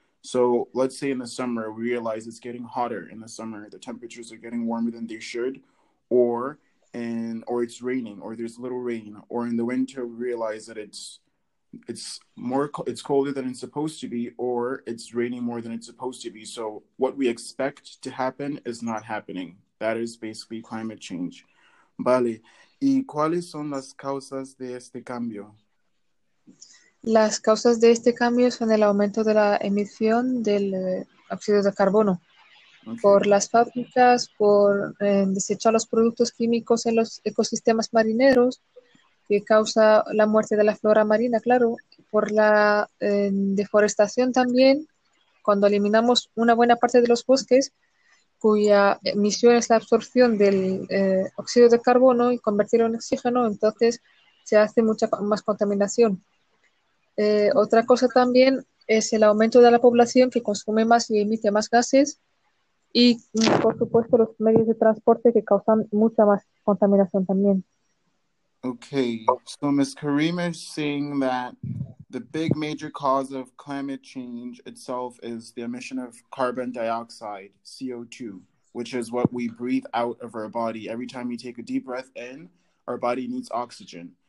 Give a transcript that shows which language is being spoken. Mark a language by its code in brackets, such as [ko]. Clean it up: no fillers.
[en] So let's say in the summer, we realize it's getting hotter in the summer, the temperatures are getting warmer than they should, or it's raining, or there's little rain, or in the winter we realize that it's colder than it's supposed to be, or it's raining more than it's supposed to be. So what we expect to happen is not happening. That is basically climate change. Vale. [es] ¿Y cuáles son las causas de este cambio? Las causas de este cambio son el aumento de la emisión del óxido de carbono. Okay. Por las fábricas, por desechar los productos químicos en los ecosistemas marineros, que causa la muerte de la flora marina, claro, por la deforestación también, cuando eliminamos una buena parte de los bosques, cuya emisión es la absorción del óxido de carbono y convertirlo en oxígeno, entonces se hace mucha más contaminación. Otra cosa también es el aumento de la población que consume más y emite más gases, y, por supuesto, los medios de transporte que causan mucha más contaminación también. [en] Okay, so Ms. Karima is saying that the big major cause of climate change itself is the emission of carbon dioxide, CO2, which is what we breathe out of our body. Every time we take a deep breath in, our body needs oxygen.